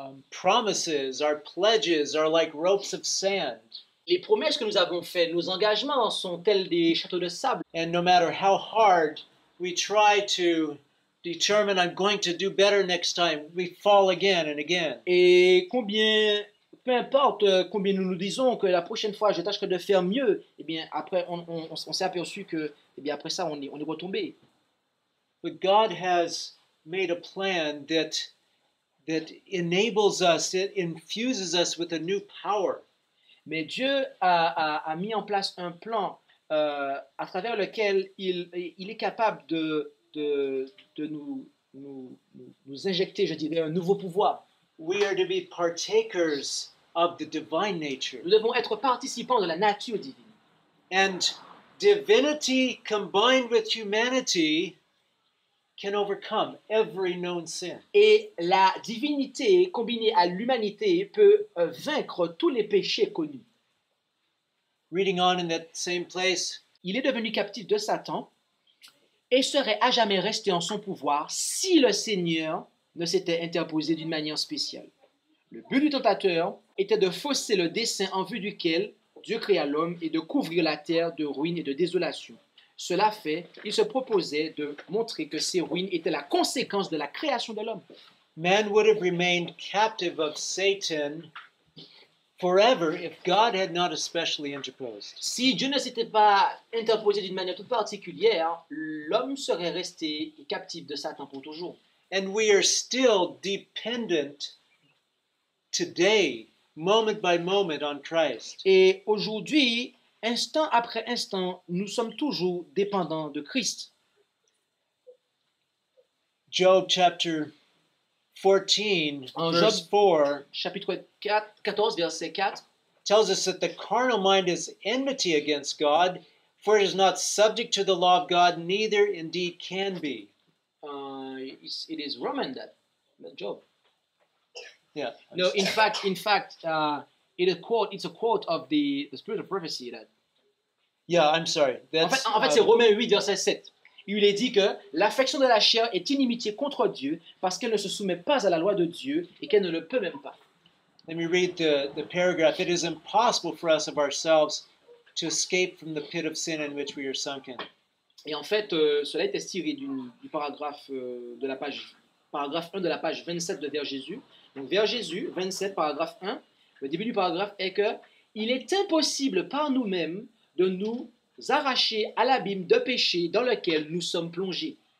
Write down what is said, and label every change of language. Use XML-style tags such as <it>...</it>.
<en>Promises, our pledges are like ropes of sand.</en> <fr>Les promesses que nous avons faites, nos engagements sont tels des châteaux de sable.</fr> <en>And no matter how hard we try to determine I'm going to do better next time, we fall again and again.</en> <fr>Et combien, peu importe combien nous nous disons que la prochaine fois je tâcherai de faire mieux, eh bien après on s'est aperçu que eh bien après ça on est retombé.</fr> <en>But God has made a plan that enables us, it infuses us with a new power.</en> <fr>Mais Dieu a mis en place un plan à travers lequel il est capable de nous injecter, je dirais, un nouveau pouvoir.</fr> <en>We are to be partakers of the divine nature.</en> <fr>Nous devons être participants de la nature divine.</fr> <en>And divinity combined with humanity can overcome every known sin.</en> <fr>Et la divinité combinée à l'humanité peut vaincre tous les péchés connus.</fr> <en>Reading on in that same place,</en> <fr>il est devenu captif de Satan et serait à jamais resté en son pouvoir si le Seigneur ne s'était interposé d'une manière spéciale. Le but du tentateur était de fausser le dessein en vue duquel Dieu créa l'homme et de couvrir la terre de ruines et de désolation. Cela fait, il se proposait de montrer que ces ruines étaient la conséquence de la création de l'homme.</fr> <en>Man would have remained captive of Satan forever if God had not especially interposed.</en> <fr>Si Dieu ne s'était pas interposé d'une manière toute particulière, l'homme serait resté captif de Satan pour toujours.</fr> <en>And we are still dependent today, moment by moment, on Christ.</en> <fr>Et aujourd'hui, instant après instant, nous sommes toujours dépendants de Christ.</fr> <en>Job chapter 14,</en> <fr>en</fr> <en>verse</en> <fr>Job, 4, chapitre 4, 14, verset 4,</fr> <en>tells us that the carnal mind is enmity against God, for it is not subject to the law of God, neither indeed can be. It is Roman that, Job. Yeah. No, in fact, it's a quote of the spirit of prophecy that. Yeah, I'm sorry.</en> <fr>En fait, c'est Romains 8, verset 7. Il est dit que l'affection de la chair est inimitié contre Dieu parce qu'elle ne se soumet pas à la loi de Dieu et qu'elle ne le peut même pas.</fr> <en>Let me read the paragraph. It is impossible for us of ourselves to escape from the pit of sin in which we are sunken.</en> <fr>Et en fait, cela est tiré du paragraphe de la page, paragraphe 1 de la page 27 de Vers Jésus. Donc Vers Jésus, 27, paragraphe 1. Le début du paragraphe est que il est impossible par nous-mêmes de nous arrachés à l'abîme de péché dans lequel nous sommes plongés.</fr>